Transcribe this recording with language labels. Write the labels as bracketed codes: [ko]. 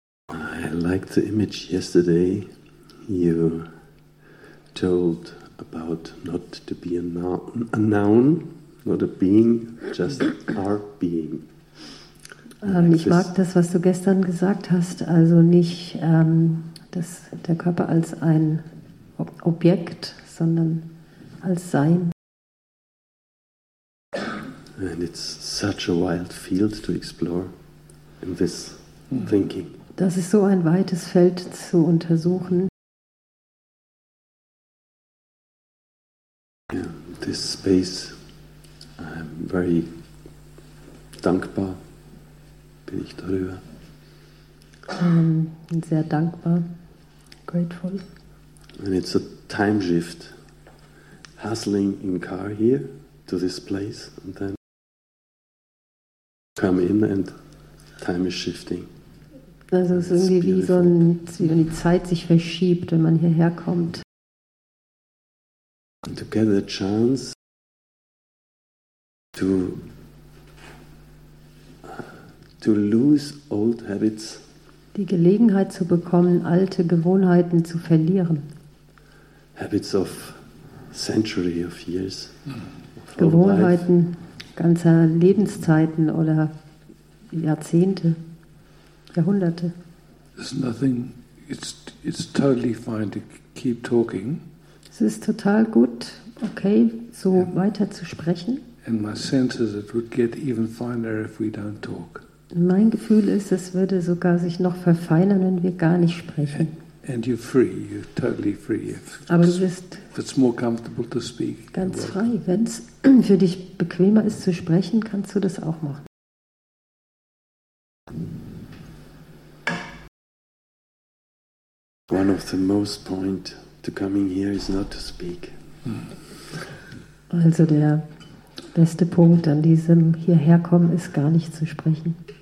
[en] I liked the image yesterday you told about not to be a noun, not a being, just our being. [de] Ich mag das, was du gestern gesagt hast, also nicht das, der Körper als ein Objekt, sondern als Sein. [en] And it's such a wild field to explore in this thinking. [de] Das ist so ein weites Feld zu untersuchen. [en] Yeah, this space, I'm very [de] dankbar. Bin ich darüber? Sehr dankbar, [en] grateful. And it's a time shift, hustling in car here to this place, and then come in and time is shifting. [de] Also es ist irgendwie wie so ein, wie wenn die Zeit sich verschiebt, wenn man hierher kommt. [en] And to get a chance to lose old habits. [de] Die Gelegenheit zu bekommen, alte Gewohnheiten zu verlieren. [en] Habits of century of years. [de] Of Gewohnheiten ganzer Lebenszeiten oder Jahrzehnte, Jahrhunderte. [en] There's nothing, it's totally fine to keep talking. [de] Es ist total gut, okay, [en] so and, [de] weiter zu sprechen. [en] And my sense is it would get even finer if we don't talk. [de] Mein Gefühl ist, es würde sogar sich noch verfeinern, wenn wir gar nicht sprechen. [en] And you're free, you're totally free. [de] Aber du bist [en] it's more comfortable to speak, [de] ganz frei. Wenn es für dich bequemer ist zu sprechen, kannst du das auch machen. [en] One of the most point to coming here is not to speak. [de] Also der beste Punkt an diesem Hierherkommen ist gar nicht zu sprechen.